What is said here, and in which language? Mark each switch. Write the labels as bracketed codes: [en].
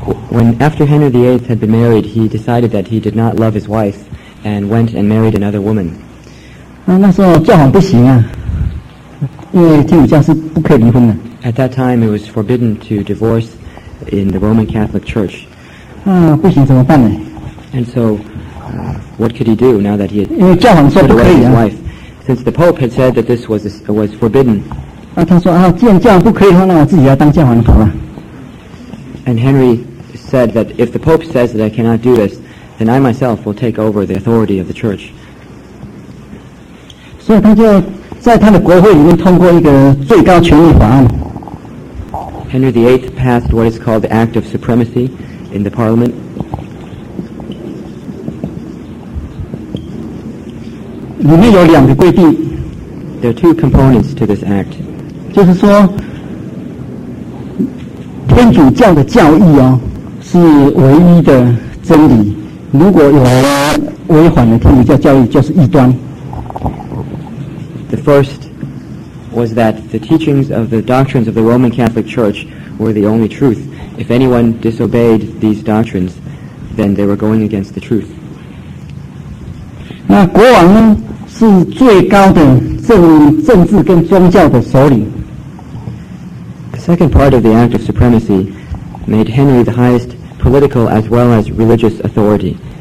[en] When after Henry VIII had been married, he decided that he did not love his wife, and went and married another woman. [zh] 啊，那时候教皇不行啊，因为天主教是不可以离婚的。 [en] At that time, it was forbidden to divorce in the Roman Catholic Church. [zh] 啊，不行怎么办呢？ [en] And so, what could he do now that he had divorced his wife? Since the Pope had said that this was forbidden. [zh] 啊，他说啊，既然教皇不可以的话，那我自己要当教皇的头啊。 [en] And Henry said that if the Pope says that I cannot do this, then I myself will take over the authority of the Church. [zh] 所以他就在他的国会里面通过一个最高权力法案。 [en] Henry VIII passed what is called the Act of Supremacy in the Parliament. [zh] 里面有两个规定。 [en] There are two components to this act. [zh] 就是说，天主教的教义哦是唯一的真理。如果有违反了天主教教义，就是异端。 [en] The first was that the teachings of the doctrines of the Roman Catholic Church were the only truth. If anyone disobeyed these doctrines, then they were going against the truth. [zh] 那国王呢？是最高的政治跟宗教的首领。 [en] The second part of the Act of Supremacy made Henry the highest political as well as religious authority.